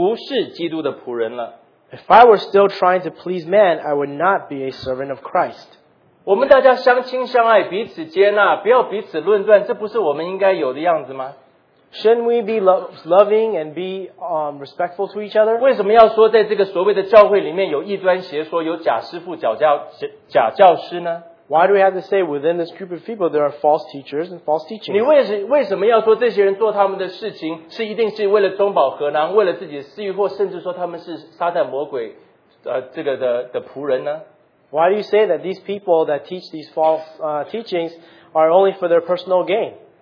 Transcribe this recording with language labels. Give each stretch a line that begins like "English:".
Chinese: 我若是人就讨人的喜欢，我就不是基督的仆人了。
English: If I were still trying to please man, I would not be a servant of Christ.
Chinese: 我们大家相亲相爱，彼此接纳，不要彼此论断，这不是我们应该有的样子吗？
English: Shouldn't we be loving and be respectful to each other?
Chinese: 为什么要说在这个所谓的教会里面有异端邪说，有假师傅、假教师呢？
English: Why do we have to say within this group of people there are false teachers and false teachings?
Chinese: 你为什么要说这些人做他们的事情是一定是为了中饱和囊，为了自己的私欲，或甚至说他们是撒旦魔鬼的仆人呢？
English: Why do you say that these people that teach these false teachings are only for their personal gain?